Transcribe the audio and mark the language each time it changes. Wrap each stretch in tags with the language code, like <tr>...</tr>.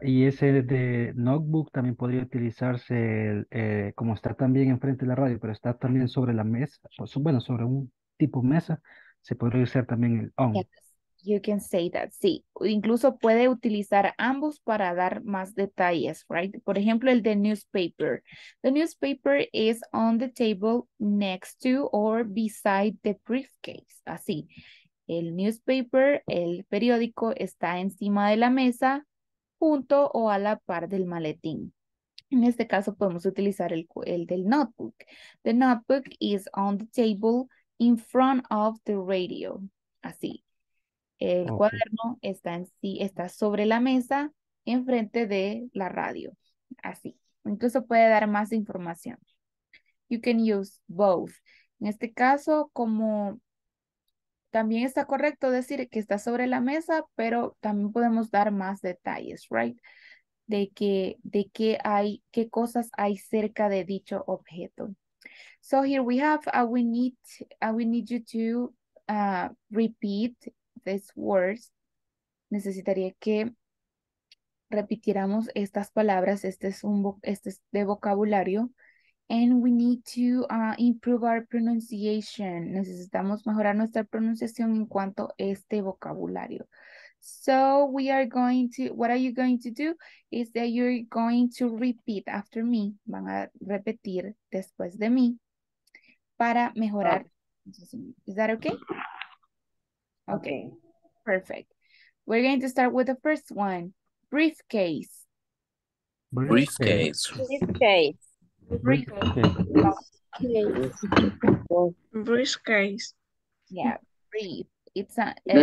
<es>¿Y ese de notebook también podría utilizarse como está también enfrente de la radio, pero está también sobre la mesa? Bueno, sobre un tipo mesa, se podría usar también el on.</es> <en>Yes. You can say that, sí.</en> <es>Incluso puede utilizar ambos para dar más detalles, right? Por ejemplo, el de newspaper.</es> <en>The newspaper is on the table next to or beside the briefcase.</en> <es>Así. El newspaper, el periódico, está encima de la mesa, junto o a la par del maletín. En este caso podemos utilizar el del notebook.</es> <en>The notebook is on the table in front of the radio.</en> <es>Así. El okay. cuaderno está en sí, está sobre la mesa, enfrente de la radio. Así. Incluso puede dar más información.</es> <en>You can use both.</en> <es>En este caso, como también está correcto decir que está sobre la mesa, pero también podemos dar más detalles, right? De que hay, qué cosas hay cerca de dicho objeto.</es> <en>So here we have, we need you to repeat these words.</en> <es>Necesitaría que repitiéramos estas palabras. Este es de vocabulario.</es> <en>And we need to improve our pronunciation.</en> <es>Necesitamos mejorar nuestra pronunciación en cuanto a este vocabulario.</es> <en>So we are going to, what are you going to do? Is that you're going to repeat after me.</en> <es>Van a repetir después de mí para mejorar.</es> <en>Is that okay? Okay. Perfect. We're going to start with the first one. Briefcase. Briefcase. Briefcase. Briefcase. Yeah, brief. It's a</en>